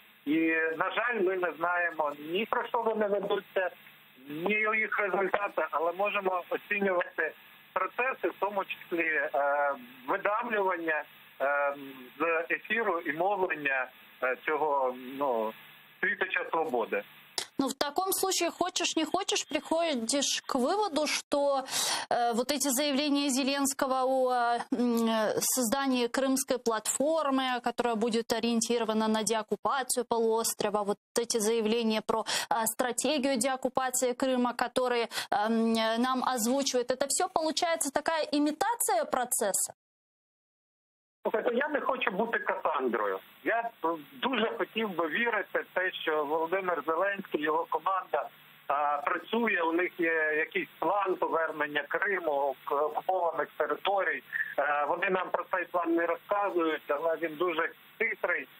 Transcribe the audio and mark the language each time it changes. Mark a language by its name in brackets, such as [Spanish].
[Ukrainian] І, на жаль, ми не знаємо ні про що вони ведуться, ні у їх результати, але можемо оцінювати процеси, в тому числі видавлювання з ефіру і мовлення цього, ну, світоча свободи. [Russian] Ну, в такому случае, хочешь не хочешь, приходишь к выводу, что вот эти заявления Зеленского о создании Крымской платформы, которая будет ориентирована на деоккупацию полуострова, вот эти заявления про стратегию деоккупации Крыма, которые нам озвучивают, это все получается такая имитация процесса? [Ukrainian] Я не хочу бути Касандрою. Я дуже хотів би вірити в те, що Володимир Зеленський, його команда працює, у них є якийсь план повернення Криму, окупованих територій. Вони нам про цей план не розказують, але він дуже хитрий.